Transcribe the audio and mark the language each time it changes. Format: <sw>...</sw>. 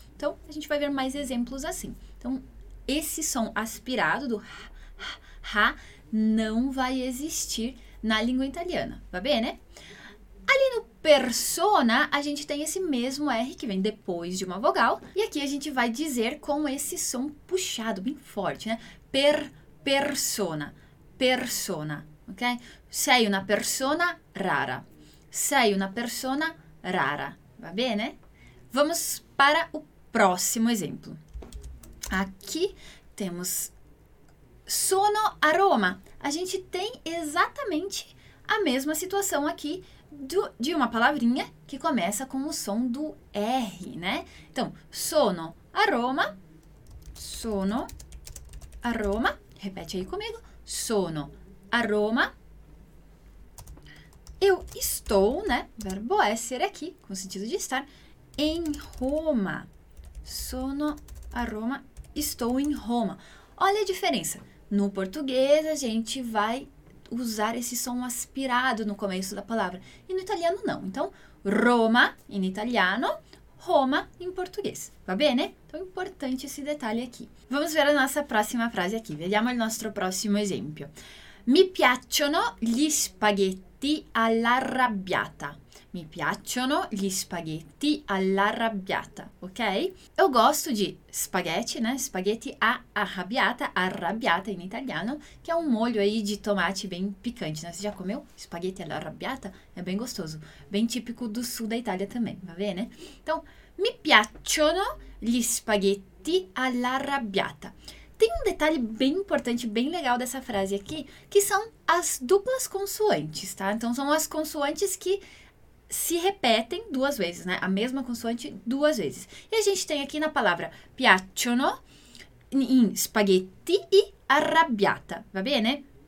<pt>Então, a gente vai ver mais exemplos assim. Então, esse som aspirado do ra não vai existir na língua italiana,</pt> <it>va bene?</it> <pt>Ali no persona, a gente tem esse mesmo R que vem depois de uma vogal, e aqui a gente vai dizer com esse som puxado, bem forte, né?</pt> <it>Persona, persona, ok? Sei una persona rara, sei una persona rara, va bene?</it> <pt>Vamos para o próximo exemplo. Aqui temos</pt> <it>sono a Roma.</it> <pt>A gente tem exatamente a mesma situação aqui de uma palavrinha que começa com o som do R, né? Então,</pt> <it>sono a Roma, sono a Roma.</it> <pt>Repete aí comigo.</pt> <it>Sono a Roma.</it> <pt>Eu estou, né? Verbo essere aqui, com sentido de estar, em Roma.</pt> <it>Sono a Roma.</it> <pt>Estou em Roma. Olha a diferença. No português, a gente vai usar esse som aspirado no começo da palavra. E no italiano, não. Então, Roma em italiano, Roma em português.</pt> <it>Va bene?</it> <pt>Então, é importante esse detalhe aqui. Vamos ver a nossa próxima frase aqui.</pt> <it>Vediamo il nostro prossimo esempio. Mi piacciono gli spaghetti. spaghetti all'arrabbiata. Mi piacciono gli spaghetti all'arrabbiata, ok?</it> <pt>O gosto di spaghetti, né? Spaghetti arrabbiata</pt> <it>in italiano, che è un</it> <pt>molho aí de tomate bem picante, né? Você já comeu spaghetti all'arrabbiata? É bem gostoso, bem típico do sul da Itália também,</pt> <it>va bene?</it> <pt>Então,</pt> <it>mi piacciono gli spaghetti all'arrabbiata.</it> <pt>Tem um detalhe bem importante, bem legal dessa frase aqui, que são as duplas consoantes, tá? Então, são as consoantes que se repetem duas vezes, né? A mesma consoante duas vezes. E a gente tem aqui na palavra piacciono in spaghetti e arrabbiata,</pt> <it>va bene?</it>